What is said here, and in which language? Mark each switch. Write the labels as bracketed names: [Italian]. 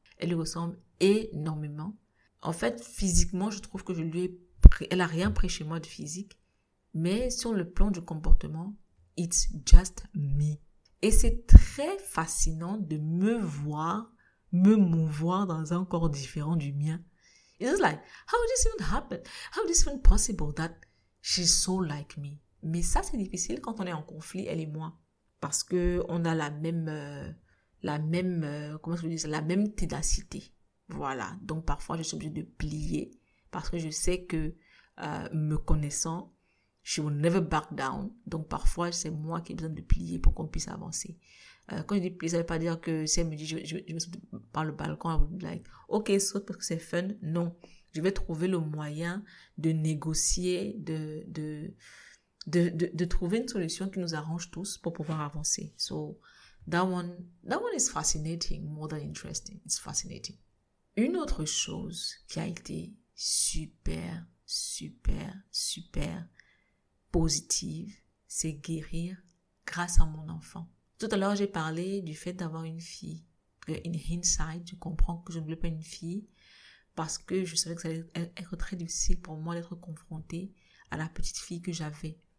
[French] Elle lui ressemble énormément. En fait, physiquement, je trouve que elle n'a rien pris chez moi de physique, mais sur le plan du comportement, [English] it's just me. [French] Et c'est très fascinant de me voir, me mouvoir dans un corps différent du mien. [English] It's just like, how did this even happen? How is this even possible that she's so like me? [French] Mais ça, c'est difficile quand on est en conflit, elle et moi. Parce qu'on a la même ténacité. Voilà. Donc, parfois, je suis obligée de plier parce que je sais que me connaissant, [English] she will never back down. [French] Donc, parfois, c'est moi qui ai besoin de plier pour qu'on puisse avancer. Quand je dis plier, ça ne veut pas dire que si elle me dit, je me saute par le balcon, elle va me dire, ok, saute parce que c'est fun. Non, je vais trouver le moyen de négocier, de trouver une solution qui nous arrange tous pour pouvoir avancer. [English] So, that one is fascinating, more than interesting. It's fascinating. [French] Une autre chose qui a été super, super, super positive, c'est guérir grâce à mon enfant. Tout à l'heure, j'ai parlé du fait d'avoir une fille. [English] In hindsight, [French] je comprends que je ne voulais pas une fille parce que je savais que ça allait être très difficile pour moi d'être confrontée à la petite fille que j'avais.